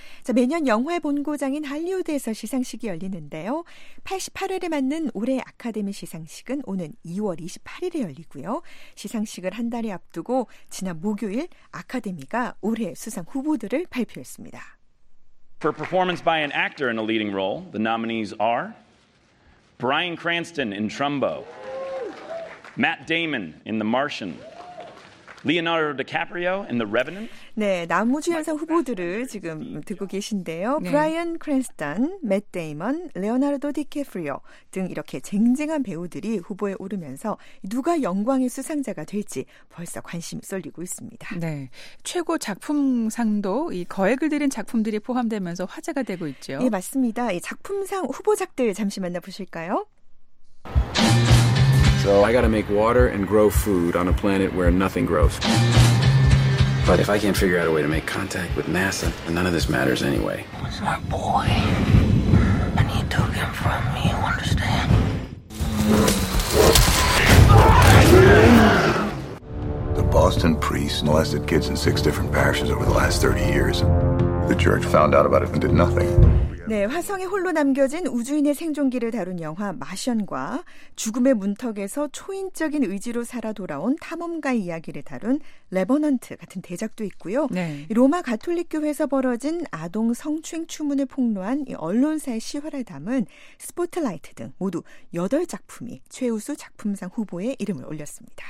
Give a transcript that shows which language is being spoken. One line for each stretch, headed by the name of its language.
Korean: 자, 매년 영화의 본고장인 할리우드에서 시상식이 열리는데요. 88회를 맞는 올해 아카데미 시상식은 오는 2월 28일에 열리고요. 시상식을 한 달에 앞두고 지난 목요일 아카데미가 올해 수상 후보들을 발표했습니다.
English: For performance by an actor in a leading role, the nominees are Bryan Cranston in Trumbo, Matt Damon in The Martian, Leonardo DiCaprio in The Revenant.
Korean: 네, 남우주연상 후보들을 지금 듣고 계신데요. 네. 브라이언 크랜스턴, 맷 데이먼, 레오나르도 디카프리오 등 이렇게 쟁쟁한 배우들이 후보에 오르면서 누가 영광의 수상자가 될지 벌써 관심이 쏠리고 있습니다. 네, 최고 작품상도 이 거액을 들인 작품들이 포함되면서 화제가 되고 있죠. 네, 맞습니다. 이 작품상 후보작들 잠시 만나보실까요?
English: So I got to make water and grow food on a planet where nothing grows. But if I can't figure out a way to make contact with NASA, then none of this matters anyway. It's my boy. And he took him from me, you understand? The Boston priests molested kids in six different parishes over the last 30 years. The church found out about it and did nothing.
Korean: 네, 화성에 홀로 남겨진 우주인의 생존기를 다룬 영화 마션과 죽음의 문턱에서 초인적인 의지로 살아 돌아온 탐험가의 이야기를 다룬 레버넌트 같은 대작도 있고요. 네. 로마 가톨릭교회에서 벌어진 아동 성추행 추문을 폭로한 이 언론사의 실화를 담은 스포트라이트 등 모두 8작품이 최우수 작품상 후보에 이름을 올렸습니다.